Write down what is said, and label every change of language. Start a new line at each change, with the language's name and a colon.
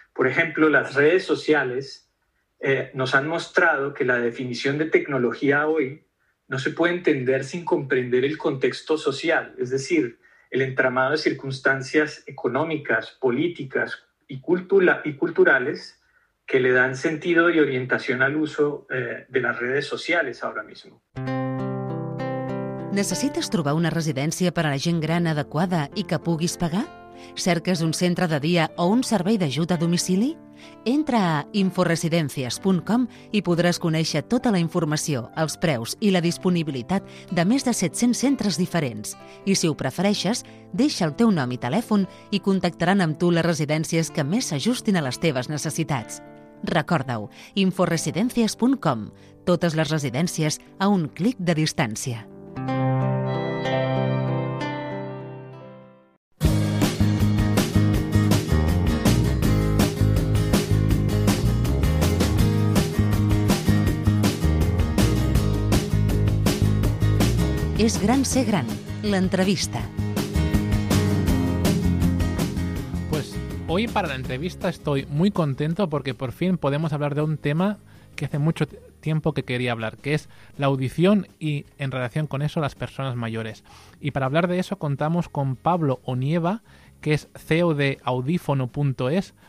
Spanish: Por ejemplo, las redes sociales nos han mostrado que la definición de tecnología hoy no se puede entender sin comprender el contexto social, es decir, el entramado de circunstancias económicas, políticas y culturales que le dan sentido y orientación al uso de las redes sociales ahora mismo.
Catalan: Necessites trobar una residència per a la gent gran adequada i que puguis pagar? Cerques un centre de dia o un servei d'ajut a domicili? Entra a inforesidencias.com i podràs conèixer tota la informació, els preus i la disponibilitat de més de 700 centres diferents. I si ho prefereixes, deixa el teu nom i telèfon i contactaran amb tu les residències que més s'ajustin a les teves necessitats. Recorda-ho, inforesidencias.com. Totes les residències a un clic de distància. És gran ser gran, l'entrevista.
Spanish: Pues hoy para la entrevista estoy muy contento porque por fin podemos hablar de un tema que hace mucho tiempo que quería hablar, que es la audición y en relación con eso las personas mayores. Y para hablar de eso contamos con Pablo Onieva, que es CEO de Audífono.es.